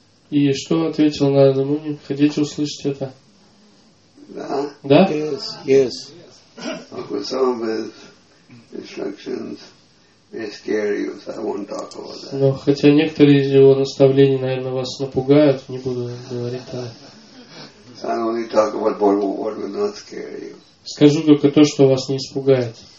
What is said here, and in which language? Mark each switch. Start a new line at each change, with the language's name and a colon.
Russian: И что ответил Нарада Муни? Хотите услышать это? Да? Да?
English: Yes. Of course, some of his instructions may scare you, so I won't talk about that.
Russian: Но хотя некоторые из его наставлений, наверное, вас напугают, не буду говорить о
English: so I only talk about what will not scare you.
Russian: Скажу только то, что вас не испугает.